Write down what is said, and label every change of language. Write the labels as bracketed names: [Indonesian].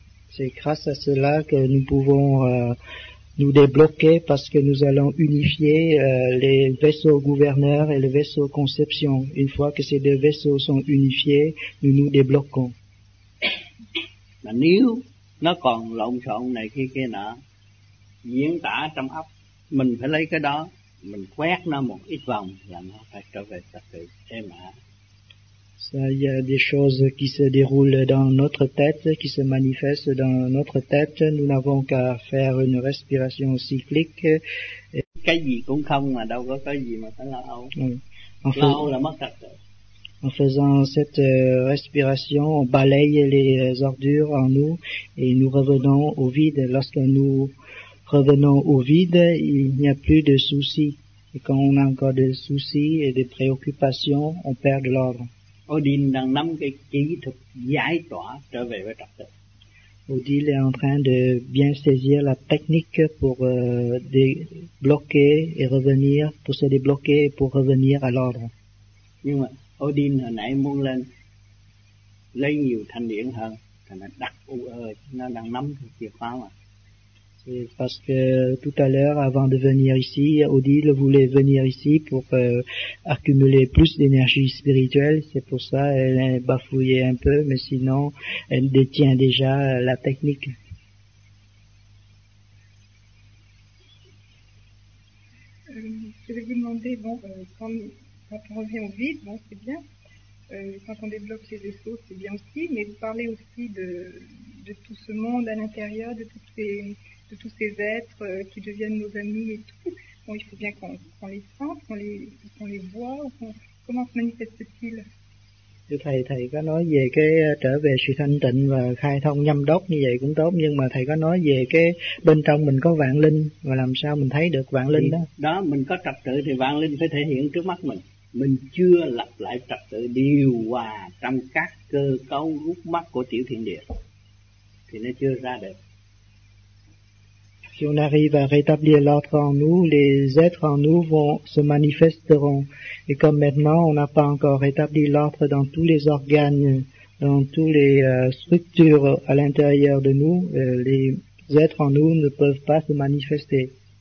[French] C'est grâce à cela que nous pouvons nous débloquer, parce que nous allons unifier les vaisseaux gouverneurs et le vaisseau conception. Une fois que ces deux vaisseaux sont unifiés, nous nous débloquons. [Vietnamese] Mà nếu nó còn lộn xộn này kia kia nọ, diễn tả trong óc, mình phải lấy cái đó, mình quét nó một ít vòng là nó phải trở về trật tự êm ả. [French] Il y a des choses qui se déroulent dans notre tête, qui se manifestent dans notre tête. Nous n'avons qu'à faire une respiration cyclique. [Vietnamese] Cái gì cũng không mà đâu có cái gì mà phải lo âu. Là mất trật tự. [French] En faisant cette respiration, on balaye les ordures en nous et nous revenons au vide. Lorsque nous revenons au vide, il n'y a plus de soucis. Et quand on a encore des soucis et des préoccupations, on perd de l'ordre. [Vietnamese] Odile đang nắm cái kỹ thuật giải tỏa trở về với trật tự. [French] Odile est en train de bien saisir la technique pour débloquer et revenir, pour se débloquer et pour revenir à l'ordre. [Vietnamese] Nhưng mà Odile hồi nãy muốn lên lấy nhiều thanh điển hơn, thành đặt u ơi, nó đang nắm cái chìa khóa mà. [French] C'est parce que tout à l'heure, avant de venir ici, Odile voulait venir ici pour accumuler plus d'énergie spirituelle. C'est pour ça qu'elle est bafouillée un peu, mais sinon, elle détient déjà la technique. Je vais vous demander, bon, quand on revient au vide, bon, c'est bien. Quand on développe ses vaisseaux, c'est bien aussi. Mais vous parlez aussi de tout ce monde à l'intérieur, de tous ces êtres qui deviennent nos amis et tout. Bon, il faut bien qu'on les sente, qu'on les voit. Comment se manifeste-t-il? [Vietnamese] Thầy có nói về cái trở về sự thanh tịnh và khai thông nhâm đốc như vậy cũng tốt, nhưng mà thầy có nói về cái bên trong mình có vạn linh và làm sao mình thấy được vạn linh đó. Đó, mình có trật tự thì vạn linh phải thể hiện trước mắt mình. Mình chưa lập lại trật tự điều hòa trong các cơ cấu rút mắt của tiểu thiên địa thì nó chưa ra được. [French] Si on arrive à rétablir l'ordre en nous, les êtres en nous vont se manifesteront. Et comme maintenant, on n'a pas encore rétabli l'ordre dans tous les organes, dans toutes les structures à l'intérieur de nous, les êtres en nous ne peuvent pas se manifester.